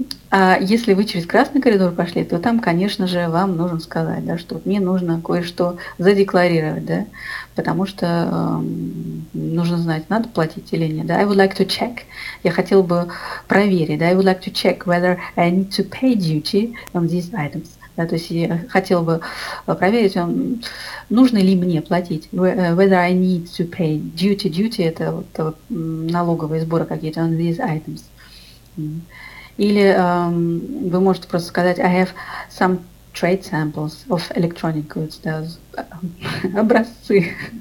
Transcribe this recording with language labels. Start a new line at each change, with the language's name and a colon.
Russian: А если вы через красный коридор пошли, то там, конечно же, вам нужно сказать, да, что мне нужно кое-что задекларировать, да, потому что нужно знать, надо платить или нет.
English: Да. I would like to check.
Russian: Я хотел бы проверить.
English: Да. I would like to check whether I need to pay duty on these items.
Russian: Да, то есть я хотел бы проверить, нужно ли мне платить.
English: Whether I need to pay duty. Duty –
Russian: это вот налоговые сборы какие-то
English: on these items.
Russian: Или вы можете просто сказать
English: I have some trade samples of electronic goods,
Russian: да, образцы.